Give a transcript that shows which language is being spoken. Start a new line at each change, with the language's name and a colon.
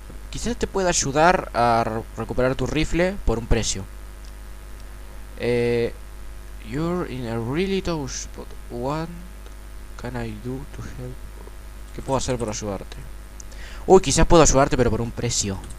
Spanish: Quizás te pueda ayudar a recuperar tu rifle por un precio.
English: You're in a really tough spot. What can I do to help?
Spanish: ¿Qué puedo hacer por ayudarte? Uy, quizás puedo ayudarte, pero por un precio.